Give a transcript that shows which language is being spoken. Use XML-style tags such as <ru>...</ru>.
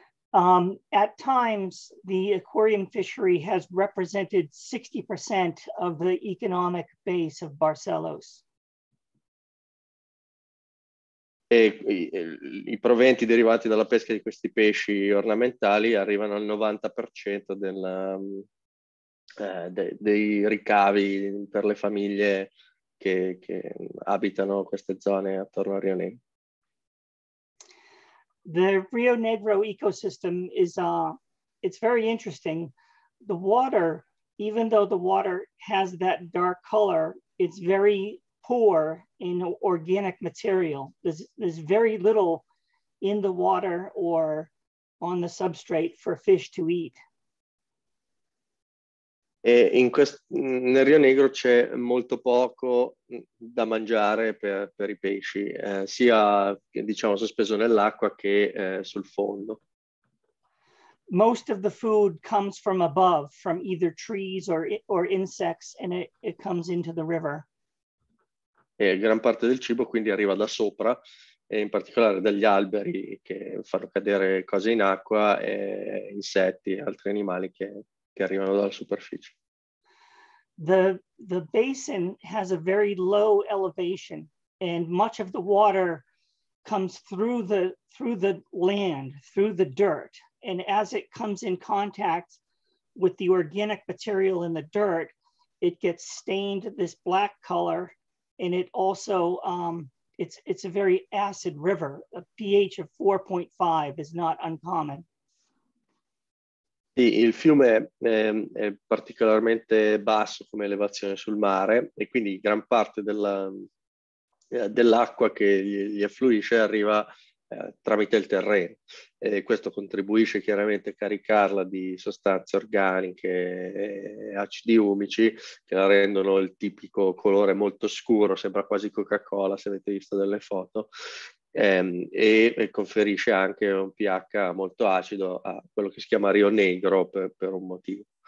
<en>At times, the aquarium fishery has represented 60% of the economic base of Barcelos.</en> <it>I proventi derivati dalla pesca di questi pesci ornamentali arrivano al 90% dei ricavi per le famiglie che abitano queste zone attorno al Rio Negro.</it> <en>The Rio Negro ecosystem is it's very interesting. The water, even though the water has that dark color, it's very poor in organic material. There's very little in the water or on the substrate for fish to eat.</en> <it>E nel Rio Negro c'è molto poco da mangiare per i pesci, sia, diciamo, sospeso nell'acqua che sul fondo.</it> <en>Most of the food comes from above, from either trees or insects, and it comes into the river.</en> <it>E gran parte del cibo quindi arriva da sopra, e in particolare dagli alberi che fanno cadere cose in acqua, e insetti e altri animali che arrivano dalla superficie.</it> <en>The basin has a very low elevation, and much of the water comes through the land, through the dirt. And as it comes in contact with the organic material in the dirt, it gets stained this black color, and it also it's a very acid river. A pH of 4.5 is not uncommon.</en> <it>Sì, il fiume è particolarmente basso come elevazione sul mare, e quindi gran parte dell'acqua che gli affluisce arriva tramite il terreno. E questo contribuisce chiaramente a caricarla di sostanze organiche e acidi umici, che la rendono il tipico colore molto scuro, sembra quasi Coca-Cola se avete visto delle foto, e conferisce anche un pH molto acido a quello che si chiama Rio Negro per un motivo.</it>